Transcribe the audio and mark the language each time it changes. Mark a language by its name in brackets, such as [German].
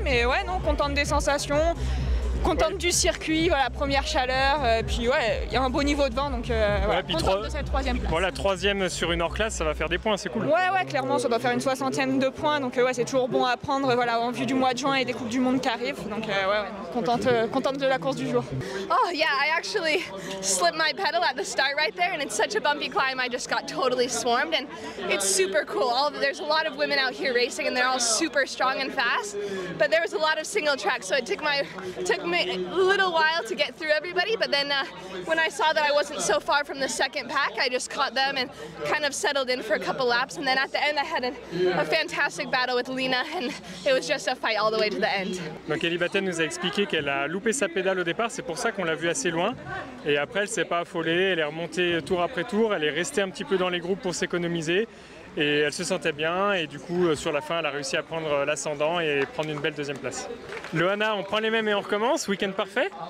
[French] Mais ouais, non, contente des sensations, contente du circuit, voilà, première chaleur. Puis ouais, il y a un beau niveau devant, donc voilà, contente de cette troisième place. Voilà, troisième sur une hors classe, ça va faire des points, c'est cool. Ouais, clairement, ça doit faire une 60aine de points. Donc ouais, c'est toujours bon à prendre voilà, en vue du mois de juin et des Coupes du Monde qui arrivent. Donc ouais, contente de la course du jour. [English] Oh yeah, I actually slipped my pedal at the start right there, and it's such a bumpy climb, I just got totally swarmed. And it's super cool. There's a lot of women out here racing, and they're all super strong and fast. But there was a lot of single track, so it took my a little while to get through everybody, but then when I saw that I wasn't so far from the second pack, I just caught them and kind of settled in for a couple laps. And then at the end, I had a fantastic battle with Léna, and it was just a fight all the way to the end. [French] Donc Ellie Batten nous a expliqué qu'elle a loupé sa pédale au départ, c'est pour ça qu'on l'a vue assez loin. Et après, elle s'est pas affolée, elle est remontée tour après tour, elle est restée un petit peu dans les groupes pour s'économiser. Et elle se sentait bien et du coup sur la fin elle a réussi à prendre l'ascendant et prendre une belle deuxième place. Loana, on prend les mêmes et on recommence, week-end parfait?